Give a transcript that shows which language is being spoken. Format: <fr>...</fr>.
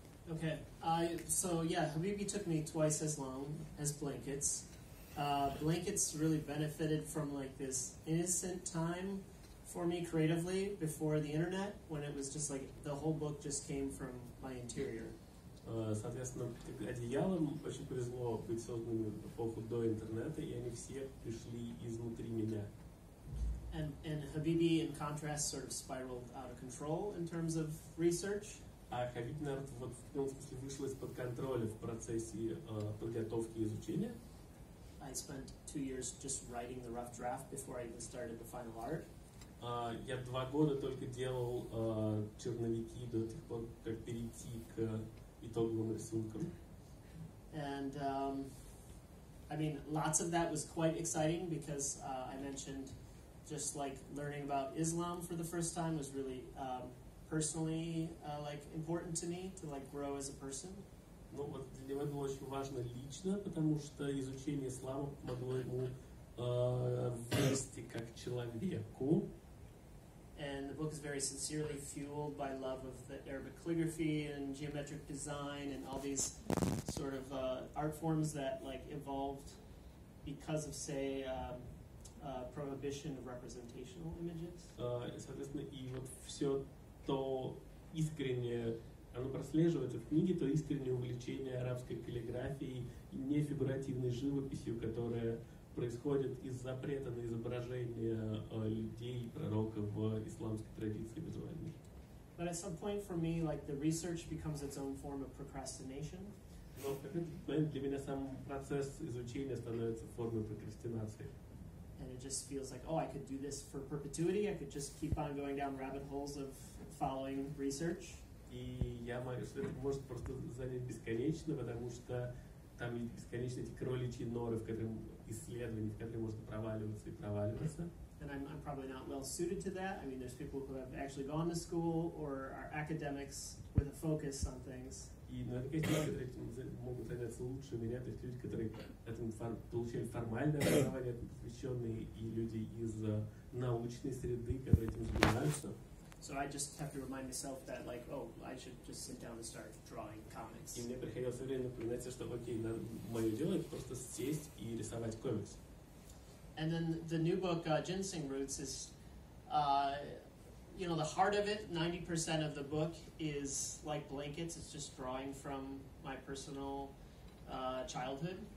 <en>Okay. Habibi took me twice as long as blankets. Blankets really benefited from like this innocent time for me creatively before the internet, when it was just like the whole book just came from my interior.</en> <ru>Соответственно, «Одеяло» очень повезло быть созданным в эпоху до интернета, и они все пришли изнутри меня.</ru> <en>And Habibi, in contrast, sort of spiraled out of control in terms of research.</en> <ru>А Хабиби, наверное, вот в том смысле вышел из-под контроля в процессе подготовки и изучения.</ru> <en>I spent 2 years just writing the rough draft before I even started the final art.</en> <ru>Я 2 года только делал черновики до тех пор, как перейти к итоговым рисункам.</ru> <en>And I mean, lots of that was quite exciting because I mentioned just like learning about Islam for the first time was really personally like important to me to like grow as a person.</en> <ru>Ну вот для него было очень важно лично, потому что изучение ислама помогло ему вырасти как человеку.</ru> <en>And the book is very sincerely fueled by love of the Arabic calligraphy and geometric design and all these sort of art forms that like evolved because of, say, prohibition of representational images.</en> <ru>Соответственно, и вот все то искреннее, оно прослеживается в книге, то искреннее увлечение арабской каллиграфией и нефигуративной живописью, которая происходит из запрета на изображение людей и пророка в исламской традиции визуальной.</ru> <en>But at some point for me, like, the research becomes its own form of procrastination.</en> <ru>Но в какой-то момент для меня сам процесс изучения становится формой прокрастинации.</ru> <en>And it just feels like, oh, I could do this for perpetuity. I could just keep on going down rabbit holes of following research.</en> <ru>И я могу, что это может просто занять бесконечно, потому что там бесконечно эти кроличьи норы, в котором исследования, в которые можно проваливаться и проваливаться.</ru> <en>And I'm probably not well suited to that. I mean, there's people who have actually gone to school or are academics with a focus on things.</en> <ru>И, ну, это какие-то люди, которые могут заняться лучше меня, то есть люди, которые этому получили формальное образование, этому посвященные, и люди из научной среды, которые этим занимаются.</ru> <en>So I just have to remind myself that, like, oh, I should just sit down and start drawing comics.</en> <ru>И мне приходилось все время напоминать, что, окей, мое дело — это просто сесть и рисовать комикс.</ru> <en>And then the new book, Ginseng Roots, is, you know, the heart of it, 90% of the book is like blankets, it's just drawing from my personal childhood.</en>